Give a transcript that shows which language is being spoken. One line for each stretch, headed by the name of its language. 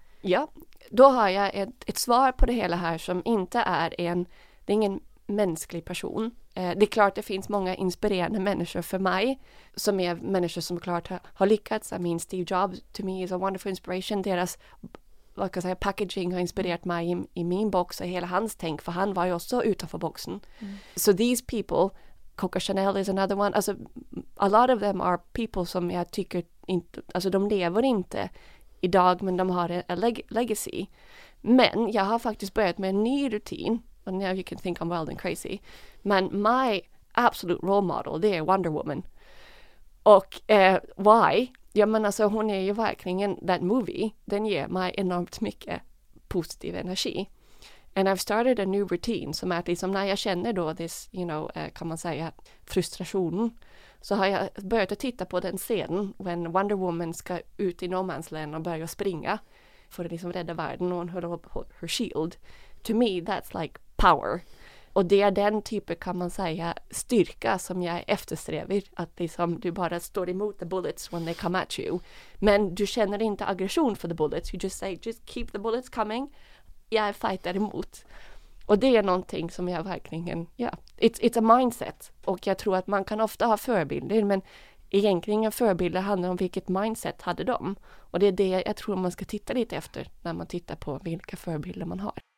Swedish: Ja, då har jag ett svar på det hela här som inte är en, det är ingen mänsklig person. Det är klart att det finns många inspirerande människor för mig som är människor som klart har lyckats.
English: I mean, Steve Jobs to me is a wonderful inspiration.
Swedish: Deras packaging har inspirerat mig i min box och hela hans tänk, för han var ju också utanför boxen.
English: Mm. So these people, Coco Chanel is another one.
Swedish: Alltså,
English: a lot of them are people
Swedish: som jag tycker inte, alltså de lever inte idag, men de har en legacy. Men jag har faktiskt börjat med en ny rutin.
English: And now you can think I'm wild and crazy. Men my absolute role model,
Swedish: det är
English: Wonder Woman.
Swedish: Och why? Ja, men alltså, hon är ju verkligen,
English: that movie,
Swedish: den ger mig enormt mycket positiv energi. And I've started a new routine, som är att liksom när jag känner då
English: this, you know,
Swedish: kan man säga, frustrationen, så har jag börjat att titta på den scenen
English: when Wonder Woman
Swedish: ska ut i Normansland och börja springa för att liksom rädda världen, och hon håller upp
English: her shield. To me, that's like power.
Swedish: Och det är den typen, kan man säga, styrka som jag eftersträver. Att liksom du bara står emot
English: the bullets when they come at you.
Swedish: Men du känner inte aggression för
English: the bullets. You just say, just keep the bullets coming.
Swedish: Jag fightar emot. Och det är någonting som jag verkligen, ja,
English: yeah, it's a mindset.
Swedish: Och jag tror att man kan ofta ha förebilder, men egentligen förebilder handlar om vilket mindset hade de. Och det är det jag tror man ska titta lite efter när man tittar på vilka förebilder man har.